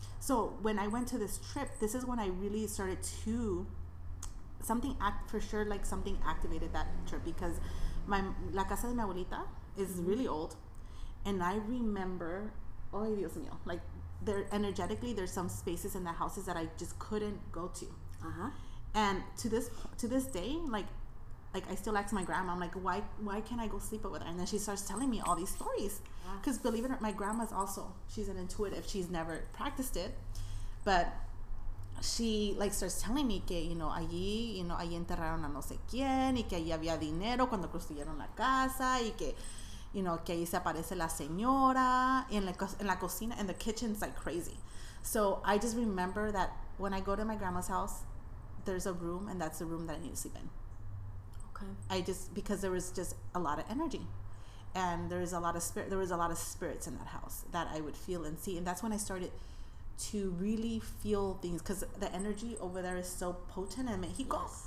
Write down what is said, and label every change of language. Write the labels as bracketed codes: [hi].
[en] So when I went to this trip, this is when I really started to, something activated that trip, because la casa de mi abuelita is really old, and I remember, oh Dios mío, like, there energetically, there's some spaces in the houses that I just couldn't go to. And to this day, like I still ask my grandma, I'm like, why can't I go sleep over there? And then she starts telling me all these stories. Because believe it or not, my grandma's also, she's an intuitive. She's never practiced it. [es] But she, like, starts telling me que, allí enterraron a no sé quién, y que allí había dinero cuando construyeron la casa, y que, que ahí se aparece la señora, en la cocina, and the kitchen's, like, crazy. [en] So I just remember that when I go to my grandma's house, there's a room, and that's the room that I need to sleep in. Okay. I just, because there was just a lot of energy. And there was a lot of spirits in that house that I would feel and see. And that's when I started to really feel things, because the energy over there is so potent in Mexico.